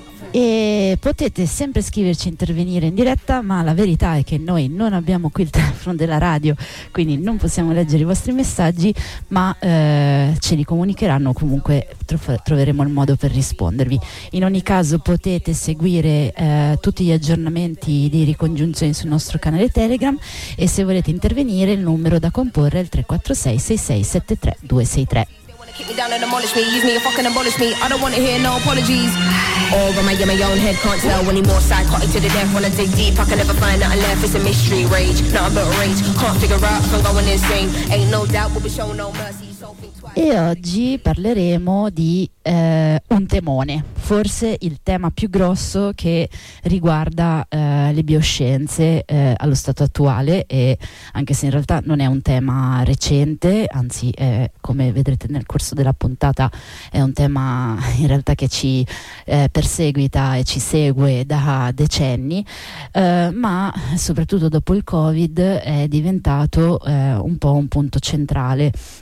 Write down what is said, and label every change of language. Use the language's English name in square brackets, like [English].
[Italian] E potete sempre scriverci, intervenire in diretta, ma la verità è che noi non abbiamo qui il telefono della radio, quindi non possiamo leggere i vostri messaggi, ma ce li comunicheranno, comunque troveremo il modo per rispondervi. In ogni caso potete seguire tutti gli aggiornamenti di ricongiunzione sul nostro canale Telegram, e se volete intervenire il numero da comporre è il 346-6673-263. [English] Kick me down and abolish me, use me and fucking abolish me. I don't wanna hear no apologies. All of my, in my own head, can't tell. Any more psychotic to the death. When I dig deep, I can never find nothing left. It's a mystery, rage, nothing but rage. Can't figure out if I'm going insane. Ain't no doubt we'll be showing no mercy. [Italian] E oggi parleremo di un temone, forse il tema più grosso che riguarda le bioscienze allo stato attuale, e anche se in realtà non è un tema recente, anzi come vedrete nel corso della puntata è un tema in realtà che ci perseguita e ci segue da decenni, ma soprattutto dopo il Covid è diventato un po' un punto centrale.